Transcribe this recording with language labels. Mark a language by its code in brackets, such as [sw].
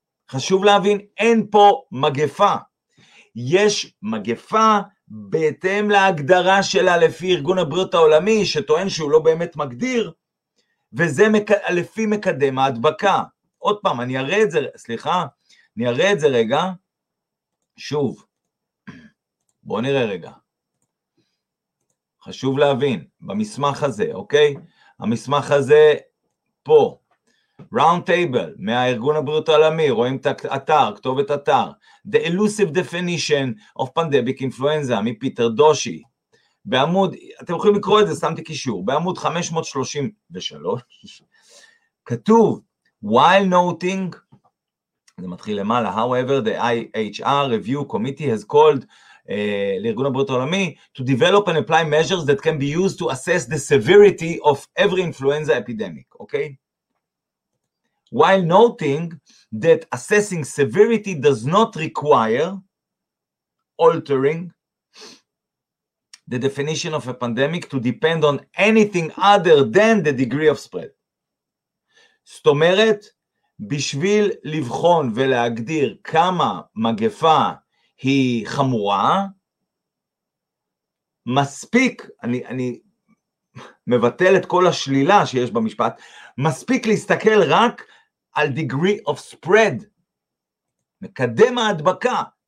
[he] חשוב להבין, אין פה מגפה. יש מגפה בהתאם להגדרה שלה לפי ארגון הבריאות העולמי, שטוען שהוא לא באמת מגדיר, וזה לפי מקדם ההדבקה. עוד פעם, אני אראה את זה, סליחה, אני אראה את זה רגע, שוב, בואו נראה רגע. חשוב להבין, במסמך הזה, אוקיי? המסמך הזה פה, round table, מהארגון הבריאות העולמי, רואים את האתר, כתובת אתר, [en] the elusive definition of pandemic influenza, [he] מפיטר דושי, בעמוד, אתם יכולים לקרוא את זה, שמתי קישור, בעמוד 533, כתוב, [en] while noting, [he] זה מתחיל למעלה, [en] however, the IHR review committee has called [he] לארגון הבריאות העולמי, [en] to develop and apply measures that can be used to assess the severity of every influenza epidemic, okay? While noting that assessing severity does not require altering the definition of a pandemic to depend on anything other than the degree of spread. [he] זאת אומרת, בשביל לבחון ולהגדיר כמה מגפה היא חמורה, מספיק, אני מבטל את כל השלילה שיש במשפט, מספיק להסתכל רק על [en] degree of spread, [he] מקדם ההדבקה.